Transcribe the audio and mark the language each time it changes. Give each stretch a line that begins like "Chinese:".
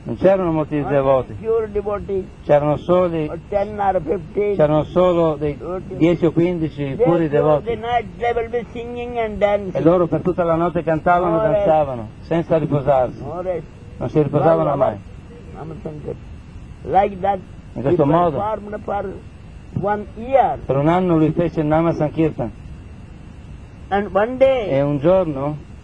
Italian: Non c'erano molti devoti.
English: Pure devotees.
Italian: C'erano solo dei,
English: or 10 or 15.
Italian: C'erano solo dei 10 o 15 puri devoti.
English: The night they will be singing and dancing.
Italian: E loro per tutta la notte cantavano e danzavano, senza riposarsi. Non si riposavano mai.
English: Like that.
Italian: In questo modo.
English: One year.
Italian: Per un anno lui fece il Nama Sankirtan.
English: And one day,
Italian: e un giorno